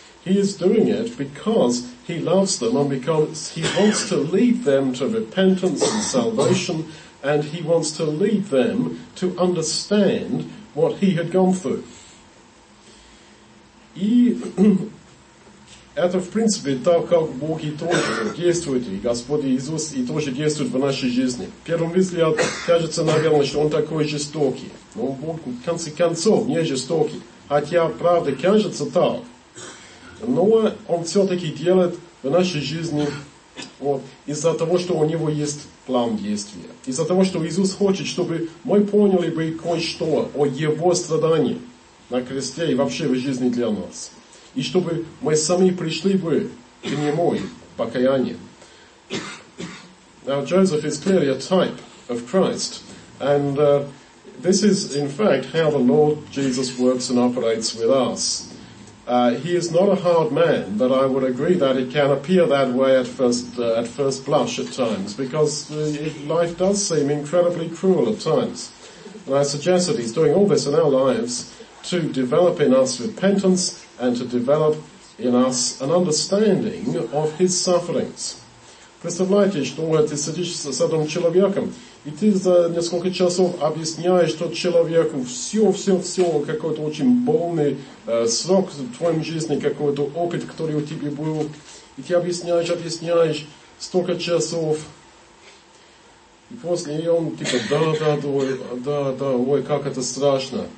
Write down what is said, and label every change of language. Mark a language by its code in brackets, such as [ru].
[en] He is doing it because he loves them and because he wants to lead them to repentance and salvation, and he wants to lead them to understand what he had gone through. [ru] И это, в принципе, так как Бог и тоже действует, и Господь Иисус и тоже действует в нашей жизни. В первом взгляде кажется, наверное, что он такой жестокий. Но Бог, в конце концов, не жестокий. Хотя, правда, кажется так. Но он все-таки делает в нашей жизни вот, из-за того, что у него есть план действия. Из-за того, что Иисус хочет, чтобы мы поняли бы кое-что о его страдании на кресте и вообще в жизни для нас. И чтобы мы сами пришли бы к нему в покаянии. [en] Now, Joseph is clearly a type of Christ. And this is, in fact, how the Lord Jesus works and operates with us. He is not a hard man, but I would agree that it can appear that way at first blush at times, because life does seem incredibly cruel at times. And I suggest that he's doing all this in our lives to develop in us repentance and to develop in us an understanding of his sufferings. [ru] Представляете, что ты сидишь с одним человеком, и ты за несколько часов объясняешь тот человеку все, какой-то очень больный срок в твоем жизни, какой-то опыт, который у тебя был, и ты объясняешь столько часов, и после он типа да, ой, как это страшно.